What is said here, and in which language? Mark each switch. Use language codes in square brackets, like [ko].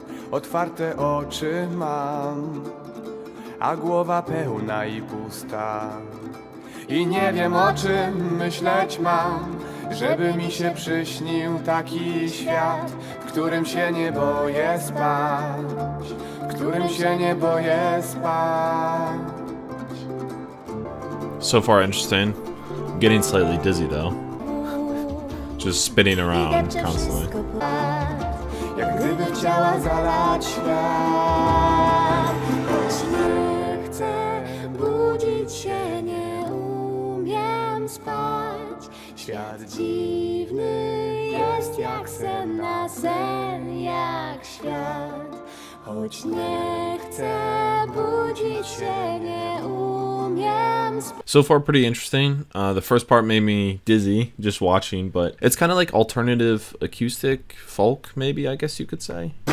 [pl] Otwarte oczy mam, a głowa pełna i pusta. I nie wiem, o czym myśleć mam, żeby mi się przyśnił taki świat, w którym się nie boję spać, w którym się nie boję spać. [en] So far interesting. Getting slightly dizzy though. Just spinning around constantly. [pl] Jak gdyby chciała zalać świat. Choć nie chcę budzić się, nie umiem spać. Świat dziwny jest jak sen na sen, jak świat. Choć nie chcę budzić się, nie umiem spać. [en] So far, pretty interesting. The first part made me dizzy just watching, but it's kind of like alternative acoustic folk, maybe, I guess you could say.